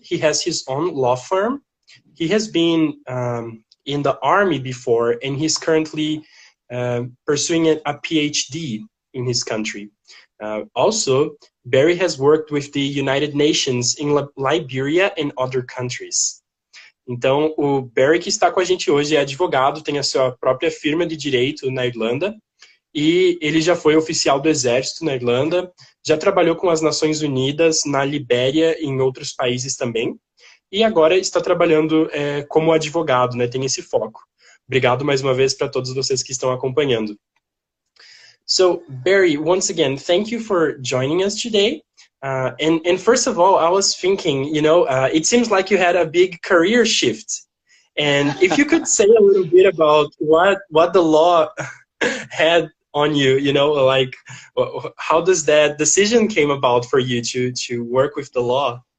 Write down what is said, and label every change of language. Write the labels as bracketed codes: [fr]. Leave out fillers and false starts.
[en] He has his own law firm. He has been in the army before, and he's currently pursuing a PhD in his country. Also, Barry has worked with the United Nations in Liberia and other countries. [pt] Então, o Barry que está com a gente hoje é advogado, tem a sua própria firma de direito na Irlanda, e ele já foi oficial do Exército na Irlanda, já trabalhou com as Nações Unidas, na Libéria e em outros países também, e agora está trabalhando como advogado, né, tem esse foco. Obrigado mais uma vez para todos vocês que estão acompanhando. [en] So, Barry, once again, thank you for joining us today. And first of all, I was thinking, you know, it seems like you had a big career shift. And if you could say a little bit about what the law had on you, you know, like, how does that decision came about for you to work with the law?